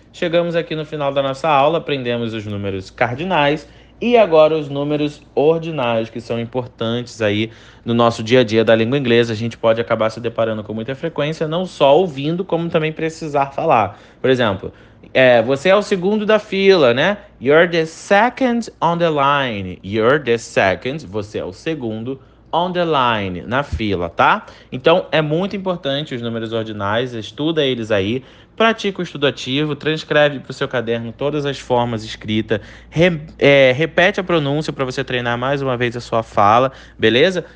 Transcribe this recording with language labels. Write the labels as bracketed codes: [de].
[pt] Chegamos aqui no final da nossa aula, aprendemos os números cardinais. E agora os números ordinais, que são importantes aí no nosso dia a dia da língua inglesa, a gente pode acabar se deparando com muita frequência, não só ouvindo, como também precisar falar. Por exemplo, você é o segundo da fila, né? [en] You're the second on the line. You're the second, [pt] você é o segundo [en] on the line, [pt] na fila, tá? Então é muito importante os números ordinais, estuda eles aí. Pratica o estudo ativo, transcreve para o seu caderno todas as formas escritas, repete a pronúncia para você treinar mais uma vez a sua fala, beleza?